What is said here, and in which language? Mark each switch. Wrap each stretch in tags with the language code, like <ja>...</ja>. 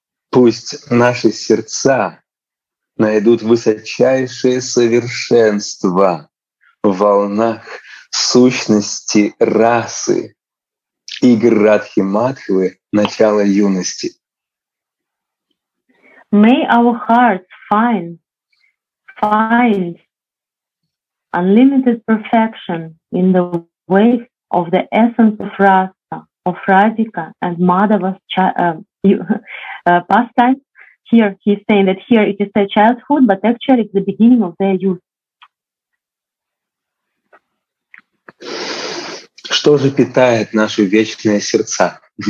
<ru>Пусть наши сердца найдут высочайшее совершенство в волнах сущности расы игр Радхи Мадхвы начала юности.</ru> <en>May our hearts find unlimited perfection in the ways of the essence of Rasa, of Radhika and Madhava's pastime. Here he's saying that here it is their childhood, but actually it's the beginning of their youth.</en> <ru>Что же питает наши вечные сердца?</ru>